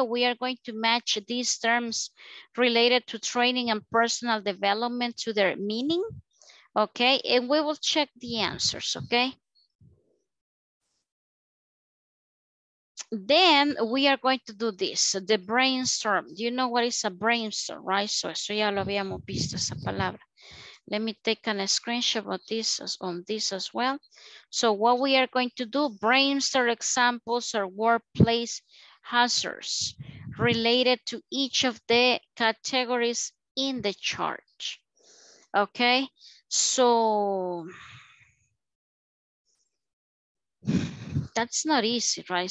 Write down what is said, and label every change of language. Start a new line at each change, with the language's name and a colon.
English: We are going to match these terms related to training and personal development to their meaning, okay? And we will check the answers, okay? Then we are going to do this, the brainstorm. Do you know what is a brainstorm, right?
Spanish: So eso ya lo habíamos visto esa palabra.
English: Let me take a screenshot of this on this as well. So what we are going to do, brainstorm examples or workplace hazards related to each of the categories in the chart. Okay, so that's not easy, right?